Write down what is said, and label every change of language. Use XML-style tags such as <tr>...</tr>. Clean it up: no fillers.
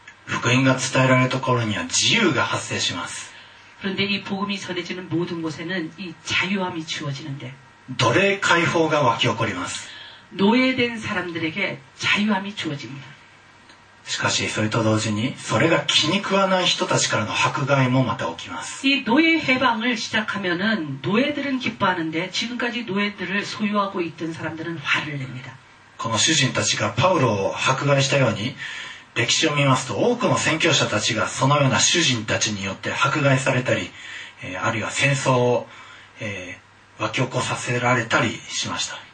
<ja>福音が伝えられるところには自由が発生します</ja> <ko>그런데이복음이전해지는모든곳에는이자유함이주어지는데</ko> <ja>奴隷解放が湧き起こります</ja> <ko>노예된사람들에게자유함이주어집니다</ko> <ja>しかしそれと同時にそれが気に食わない人たちからの迫害もまた起きます</ja> <ko>이노예해방을시작하면은노예들은기뻐하는데지금까지노예들을소유하고있던사람들은화를냅니다</ko> <ja>この主人たちがパウロを迫害したように歴史を見ますと多くの宣教者たちがそのような主人たちによって迫害されたり、あるいは戦争を、湧き起こさせられたりしました</ja>